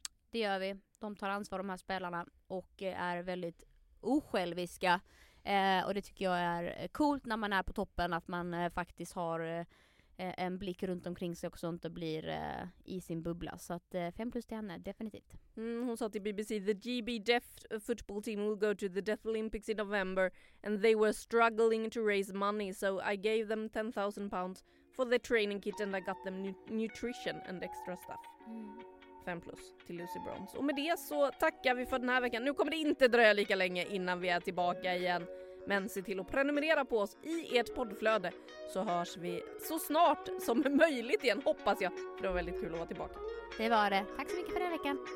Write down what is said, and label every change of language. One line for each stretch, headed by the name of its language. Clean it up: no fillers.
Swedish: Det gör vi. De tar ansvar, de här spelarna, och är väldigt osjälviska. Och det tycker jag är coolt när man är på toppen, att man faktiskt har en blick runt omkring sig också och inte blir i sin bubbla. Så att 5 plus till henne, definitivt. Mm, hon sa till BBC,
English: the GB Deaf football team will go to the Deaf Olympics in November and they were struggling to raise money, so I gave them £10,000 for the training kit and I got them nutrition and extra stuff.
Swedish: Mm. 5 plus till Lucy Bronze. Och med det så tackar vi för den här veckan. Nu kommer det inte dröja lika länge innan vi är tillbaka igen. Men se till att prenumerera på oss i ert poddflöde så hörs vi så snart som möjligt igen, hoppas jag. Det var väldigt kul att vara tillbaka. Det var det. Tack så mycket för den här veckan.